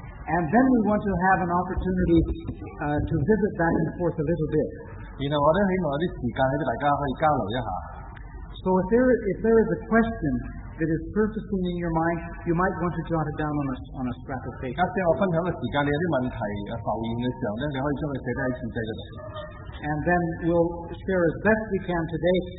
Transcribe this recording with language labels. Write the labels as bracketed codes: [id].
[en] And then we want to have an opportunity to visit back and forth a little bit. You know, I hope there is some time that you can share. So if there is a question that is surfacing in your mind, you might want to jot it down on a scrap of paper. [yue] 刚才我分享的时间，你有啲问题浮现嘅时候咧，你可以将佢写低喺纸仔嗰度。 [en] And then we'll share as best we can today.